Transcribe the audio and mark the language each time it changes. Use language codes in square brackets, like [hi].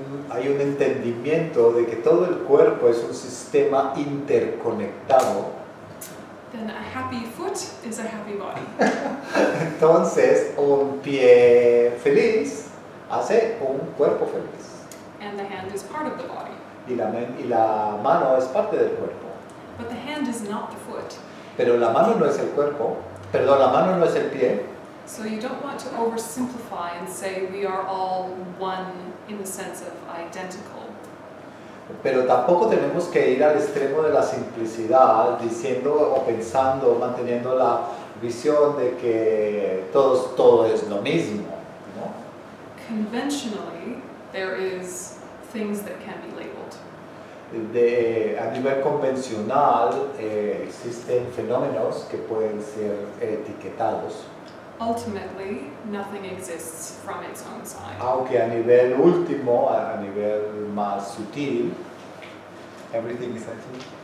[es] Hay un entendimiento de que todo el cuerpo es un sistema interconectado. [en] Then a happy foot is a happy body. [es] Entonces, un pie feliz hace un cuerpo feliz. [en] And the hand is part of the body. [es] Y la mano es parte del cuerpo. [en] But the hand is not the foot. [es] Pero la mano no es el cuerpo. Perdón, la mano no es el pie. [en] So you don't want to oversimplify and say we are all one in the sense of identical. [es] Pero tampoco tenemos que ir al extremo de la simplicidad diciendo o pensando o manteniendo la visión de que todo es lo mismo, ¿no? [en] Conventionally, there is things that can be labeled. [es] A nivel convencional, existen fenómenos que pueden ser etiquetados. [en] Ultimately, nothing exists from its own side. [es] Aunque a nivel último, a nivel más sutil, [en] everything is actually